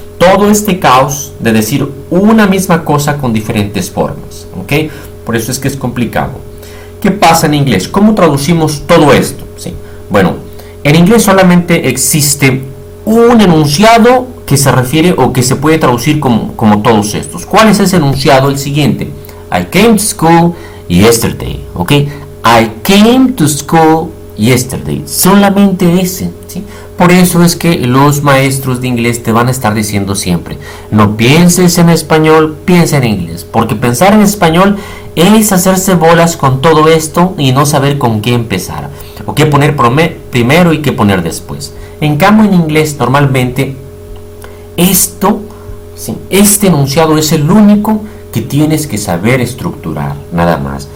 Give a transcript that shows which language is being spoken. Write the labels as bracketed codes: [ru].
[es] Todo este caos de decir una misma cosa con diferentes formas, ¿ok? Por eso es que es complicado. ¿Qué pasa en inglés? ¿Cómo traducimos todo esto? ¿Sí? Bueno, en inglés solamente existe un enunciado que se refiere o que se puede traducir como todos estos. ¿Cuál es ese enunciado? El siguiente. [en] I came to school yesterday. ¿Ok? I came to school yesterday. [es] Solamente ese. ¿Sí? Por eso es que los maestros de inglés te van a estar diciendo siempre, no pienses en español, piensa en inglés. Porque pensar en español es hacerse bolas con todo esto y no saber con qué empezar. O qué poner primero y qué poner después. En cambio, en inglés, normalmente, esto, sí, este enunciado es el único que tienes que saber estructurar, nada más.